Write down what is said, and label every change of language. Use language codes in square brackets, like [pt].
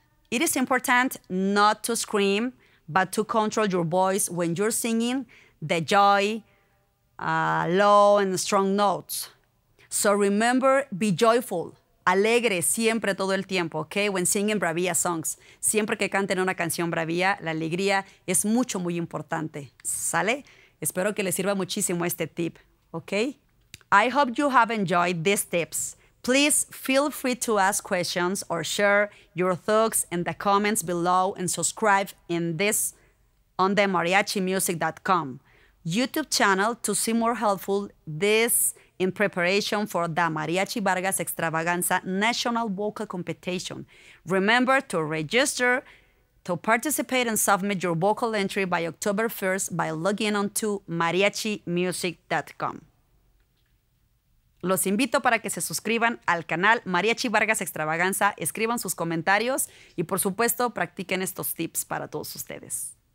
[en] It is important not to scream, but to control your voice when you're singing the joy, low and strong notes. So remember, be joyful, [es] alegre siempre todo el tiempo, ¿ok? [en] When singing Bravia songs. [es] Siempre que canten una canción Bravia, la alegría es mucho, muy importante, ¿sale? Espero que les sirva muchísimo este tip, ¿ok? [en] I hope you have enjoyed these tips. Please feel free to ask questions or share your thoughts in the comments below and subscribe in this on the mariachimusic.com YouTube channel to see more helpful this in preparation for the Mariachi Vargas Extravaganza National Vocal Competition. Remember to register to participate and submit your vocal entry by October 1st by logging on to mariachimusic.com. [es] Los invito para que se suscriban al canal Mariachi Vargas Extravaganza, escriban sus comentarios y, por supuesto, practiquen estos tips para todos ustedes.